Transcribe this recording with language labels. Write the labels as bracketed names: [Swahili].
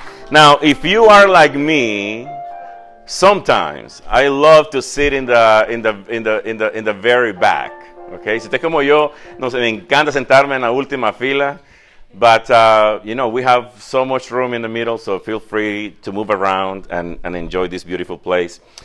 [English] Now, if you are like me, sometimes I love to sit in the very back. [Spanish] Okay, si usted como yo, no sé, me encanta sentarme en la última fila. [English] But, you know, we have so much room in the middle, so feel free to move around and enjoy this beautiful place.